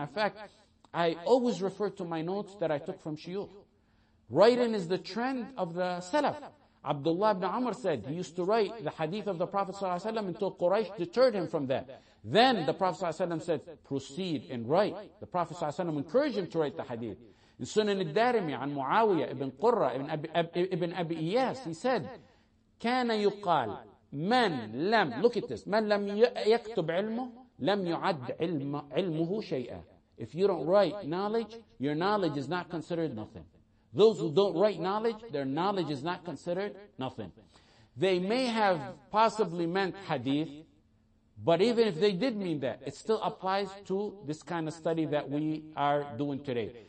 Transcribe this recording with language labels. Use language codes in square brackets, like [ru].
[en] And in fact, I always refer to my notes that I took from Shuyukh. Writing is the trend of the Salaf. Abdullah ibn Amr said he used to write the hadith of the Prophet sallallahu alaihi wasallam until Quraysh deterred him from that. Then the Prophet sallallahu alaihi wasallam said, proceed and write. The Prophet sallallahu alaihi wasallam encouraged him to write the hadith. In Sunan al-Darimi, [ar] عن معاوية ابن قرة ابن أبي إياس, [en] he said, [ar] كان يقال من لم, [en] look at this, [ar] من لم يكتب علمه لم يعد علمه شيئا. [en] If you don't write knowledge, your knowledge is not considered nothing. Those who don't write knowledge, their knowledge is not considered nothing. They may have possibly meant hadith, but even if they did mean that, it still applies to this kind of study that we are doing today.